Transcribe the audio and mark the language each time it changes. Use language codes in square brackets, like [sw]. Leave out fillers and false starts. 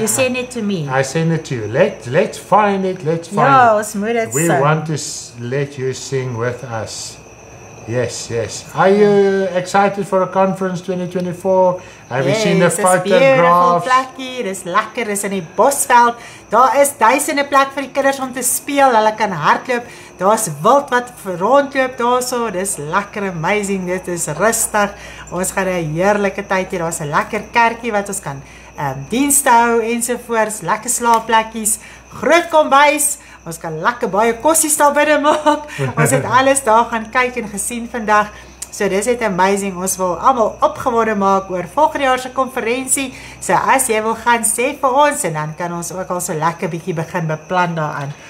[en] you send it to me. I send it to you. Let's find it. Let's find it. We want to let you sing with us. Yes, yes. Are you excited for a conference 2024? Have you seen the photographs? Yes, it's a beautiful place here. It's lekker. It's in the bosveld. [af] Daar is duisende plek vir die kinders om te speel. Hulle kan hardloop. Daar is wild wat rondloop daarso. Dis lekker amazing. Dit is rustig. Ons gaan 'n heerlike tyd hê. Daar's 'n lekker kerkie wat ons kan dienste hou ensovoorts. Lekker slaapplekkies. Groot kombuis. Ons kan lekker baie kossies daar binne maak. Ons het alles daar gaan kyk en gesien vandag. So dis net amazing. Ons wil almal opgewonde maak oor volgende jaar se konferensie. So as jy wil gaan sê vir ons en dan kan ons ook al so lekker bietjie begin beplan daaraan.